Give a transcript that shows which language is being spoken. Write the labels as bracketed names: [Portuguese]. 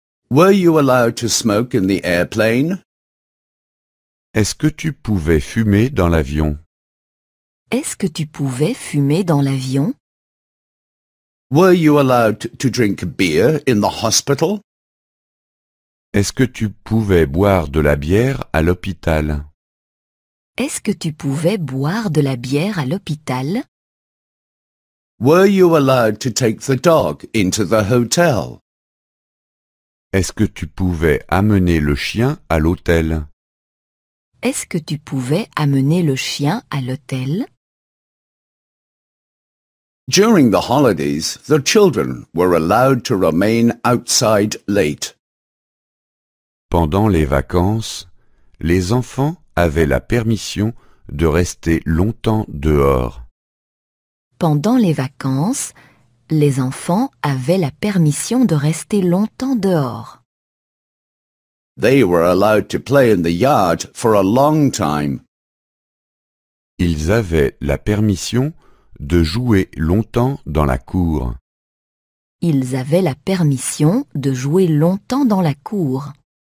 [English] Were you allowed to smoke in the airplane? [French] Est-ce que tu pouvais fumer dans l'avion? Est-ce que tu pouvais fumer dans l'avion? [English] Were you allowed to drink beer in the hospital? [French] Est-ce que tu pouvais boire de la bière à l'hôpital? Est-ce que tu pouvais boire de la bière à l'hôpital? [English] Were you allowed to take the dog into the hotel? [French] Est-ce que tu pouvais amener le chien à l'hôtel? Est-ce que tu pouvais amener le chien à l'hôtel? [English] During the holidays, the children were allowed to remain outside late. [French] Pendant les vacances, les enfants avaient la permission de rester longtemps dehors. Pendant les vacances, les enfants avaient la permission de rester longtemps dehors. [English] They were allowed to play in the yard for a long time. [French] Ils avaient la permission de jouer longtemps dans la cour. Ils avaient la permission de jouer longtemps dans la cour.